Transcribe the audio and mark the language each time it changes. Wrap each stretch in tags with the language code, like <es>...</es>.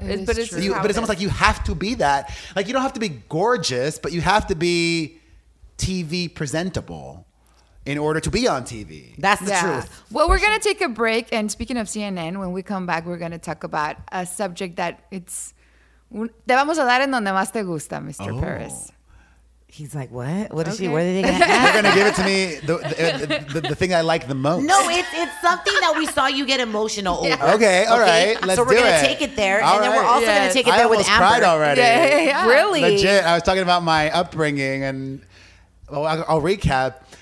<en>But it's almost like you have to be that. Like, you don't have to be gorgeous, but you have to be TV presentable in order to be on TV. That's the truth. Well, we're going to take a break. And speaking of CNN, when we come back, we're going to talk about a subject that it's...</en> <es>Te vamos a dar en donde más te gusta, Mr. Perez.</es> <en>He's like, what is she, what are they going to ask? They're going to give it to me, the thing I like the most. No, it's something that we saw you get emotional over. Okay, all right, let's do it. So we're going to take it there, and then we're also going to take it there with Amber. I almost cried already. Yeah. Really? Legit, I was talking about my upbringing, and I'll recap.</en>